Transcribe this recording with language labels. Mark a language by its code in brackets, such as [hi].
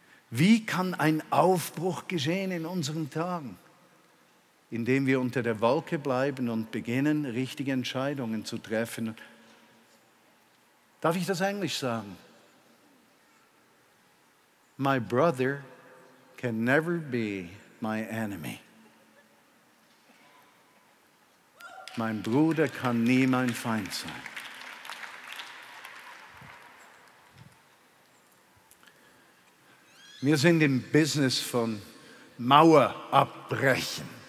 [de] Wie kann ein Aufbruch geschehen in unseren Tagen? Indem wir unter der Wolke bleiben und beginnen, richtige Entscheidungen zu treffen. Darf ich das Englisch sagen? [en] My brother can never be my enemy. [de] Mein Bruder kann nie mein Feind sein. Wir sind im Business von Mauer abbrechen.